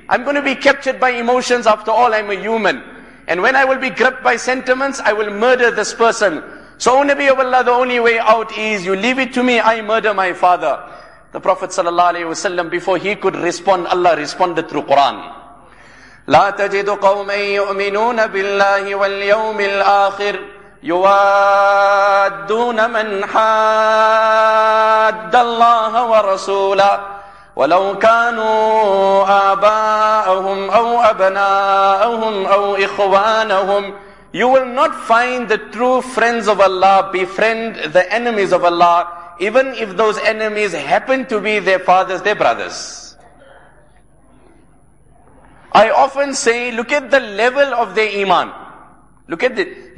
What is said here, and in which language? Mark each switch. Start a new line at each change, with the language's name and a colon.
English: I'm going to be captured by emotions. After all, I'm a human. And when I will be gripped by sentiments, I will murder this person. So, O Nabi of Allah, the only way out is you leave it to me, I murder my father. The Prophet sallallahu alayhi wasallam, before he could respond, Allah responded through Quran.
Arabic: لا تجد قوما يؤمنون بالله واليوم الآخر يوادون من حاد الله ورسوله ولو كانوا آباءهم أو أبناءهم أو إخوانهم.
English: You will not find the true friends of Allah befriend the enemies of Allah, even if those enemies happen to be their fathers, their brothers. I often say, look at the level of their iman. Look at it.